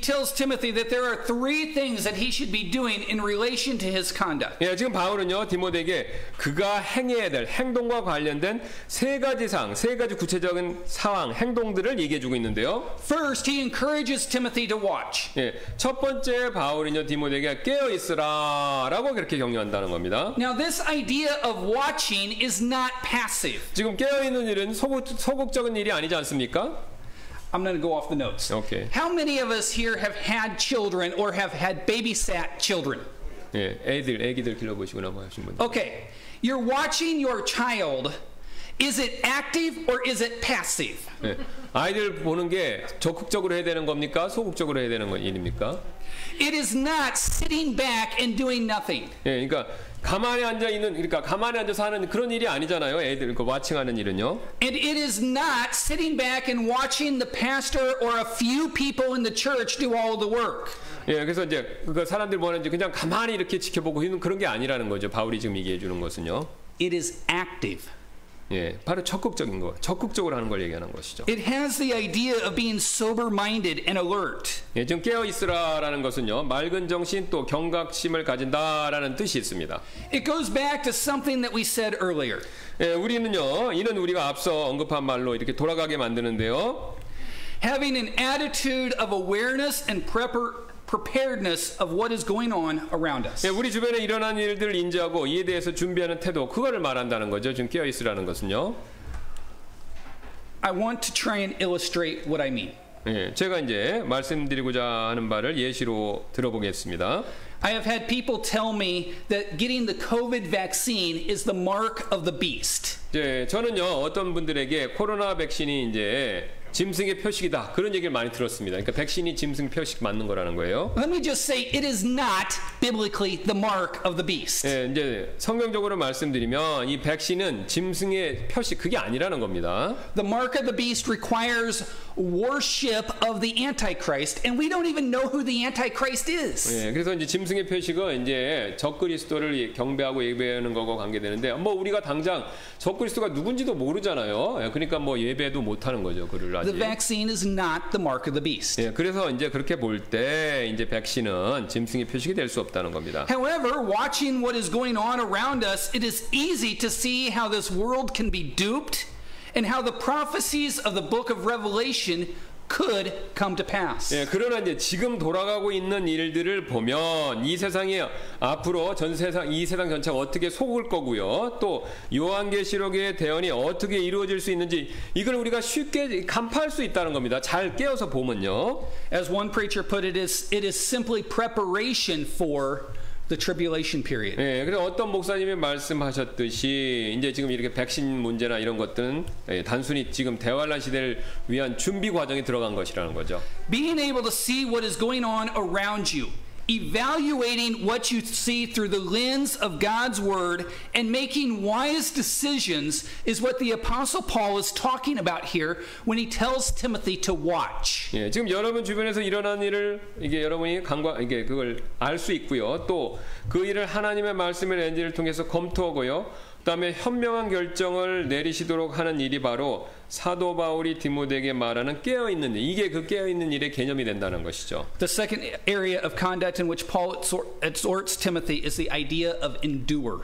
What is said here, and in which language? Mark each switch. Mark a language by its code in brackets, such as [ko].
[en] Timothy that there are three things that he should be doing in relation to his conduct. [ko] 예, 지금 바울은요 디모데에게 그가 행해야 될 행동과 관련된 세 가지 상, 세 가지 구체적인 상황, 행동들을 얘기해 주고 있는데요. [en] First, he encourages Timothy to watch. [ko] 예, 첫 번째 바울은요 디모데에게 깨어 있으라라고 그렇게 격려한다는 겁니다. [en] Now, this idea of watching is not passive. [ko] 지금 깨어 있는 일은 소극적인 일이 아니지 않습니까? [en] I'm going to go off the notes. Okay. How many of us here have had children or have had babysat children? [ko] 예, 애기들 길러보시고 넘어가신 분들. [en] Okay. You're watching your child. Is it active or is it passive? [ko] 예, 아이들 보는 게 적극적으로 해야 되는 겁니까? 소극적으로 해야 되는 일입니까? [en] It is not sitting back and doing nothing. [ko] 예, 그러니까 가만히 앉아 있는 그러니까 가만히 앉아서 하는 그런 일이 아니잖아요. 애들 그 와칭하는 일은요. [en] And it is not sitting back and watching the pastor or a few people in the church do all the work. [ko] 예, 그래서 이제 그 사람들 보는지 그냥 가만히 이렇게 지켜보고 있는 그런 게 아니라는 거죠. 바울이 지금 얘기해 주는 것은요. [en] It is active. [ko] 예, 바로 적극적인 거. 적극적으로 하는 걸 얘기하는 것이죠. [en] It has the idea of being sober-minded and alert. [ko] 예, 좀 깨어 있으라라는 것은요. 맑은 정신 또 경각심을 가진다라는 뜻이 있습니다. [en] It goes back to something that we said earlier. [ko] 예, 우리는요. 이는 우리가 앞서 언급한 말로 이렇게 돌아가게 만드는데요. [en] Having an attitude of awareness and preparedness of what is going on around us. [ko] 예, 우리 주변에 일어난 일들을 인지하고 이에 대해서 준비하는 태도, 그거를 말한다는 거죠. 지금 깨어 있으라는 것은요. [en] I want to try and illustrate what I mean. [ko] 예, 제가 이제 말씀드리고자 하는 바를 예시로 들어보겠습니다. [en] I have had people tell me that getting the COVID vaccine is the mark of the beast. [ko] 예, 저는요 어떤 분들에게 코로나 백신이 이제 짐승의 표식이다 그런 얘기를 많이 들었습니다. 그러니까 백신이 짐승 표식 맞는 거라는 거예요. [en] Let me just say it is not biblically the mark of the beast. [ko] 예, 이제 성경적으로 말씀드리면 이 백신은 짐승의 표식 그게 아니라는 겁니다. [en] The mark of the beast requires worship of the Antichrist, and we don't even know who the Antichrist is. [ko] 예, 그래서 이제 짐승의 표식은 이제 적그리스도를 경배하고 예배하는 거고 관계되는데, 뭐 우리가 당장 적그리스도가 누군지도 모르잖아요. 예, 그러니까 뭐 예배도 못하는 거죠, 그를 아직. [en] The vaccine is not the mark of the beast. [ko] 예, 그래서 이제 그렇게 볼 때 이제 백신은 짐승의 표식이 될 수 없다는 겁니다. [en] However, watching what is going on around us, it is easy to see how this world can be duped. And how the prophecies of the book of Revelation could come to pass. [ko] 예, 그러나 이제 지금 돌아가고 있는 일들을 보면 이 세상이 앞으로 전 세상 이 세상 전체가 어떻게 속을 거고요. 또 요한계시록의 대언이 어떻게 이루어질 수 있는지 이걸 우리가 쉽게 간파할 수 있다는 겁니다. 잘 깨어서 보면요. [en] As one preacher put it, it is simply preparation for the tribulation period. [ko] 예, 그래서 어떤 목사님이 말씀하셨듯이 이제 지금 이렇게 백신 문제나 이런 것들은 예, 단순히 지금 대환란 시대를 위한 준비 과정에 들어간 것이라는 거죠. [en] Being able to see what is going on around you, evaluating what you see through the lens of God's word and making wise decisions is what the apostle Paul is talking about here when he tells Timothy to watch. [ko] 예, 지금 여러분 주변에서 일어난 일을 이게 여러분이 감과 이게 그걸 알 수 있고요. 또 그 일을 하나님의 말씀의 렌즈를 통해서 검토하고요. 그다음에 현명한 결정을 내리시도록 하는 일이 바로 사도 바울이 디모데에게 말하는 깨어 있는 일. 이게 그 깨어 있는 일의 개념이 된다는 것이죠. [en] The second area of conduct in which Paul exhorts Timothy is the idea of endure.